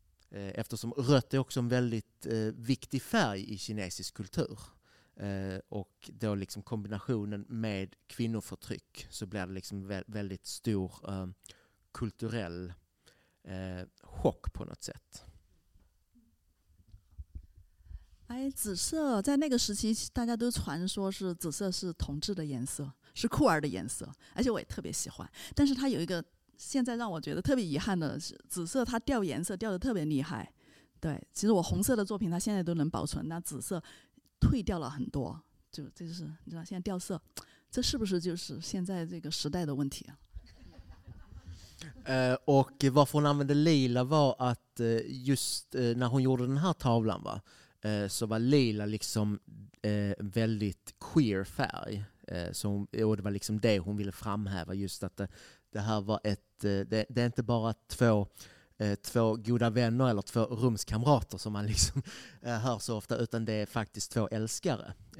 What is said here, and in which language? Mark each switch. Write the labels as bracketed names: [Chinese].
[Swedish] Eftersom rött är också en väldigt viktig färg i kinesisk kultur. Och då liksom kombinationen med kvinnoförtryck så blir det liksom väldigt stor kulturell chock på något sätt. [Chinese] 哎，紫色在那个时期，大家都传说是紫色是同志的颜色，是酷儿的颜色，而且我也特别喜欢。但是它有一个现在让我觉得特别遗憾的是，紫色它掉颜色掉得特别厉害。对，其实我红色的作品它现在都能保存，那紫色退掉了很多，就这就是你知道现在掉色，这是不是就是现在这个时代的问题啊？ [Swedish] Och varför hon använde lila var att just när hon gjorde den här tavlan, va, så var lila liksom väldigt queer färg. Så hon, och det var liksom det hon ville framhäva, just att det här var ett, det är inte bara två goda vänner eller två rumskamrater som man liksom hör så ofta, utan det är faktiskt två älskare.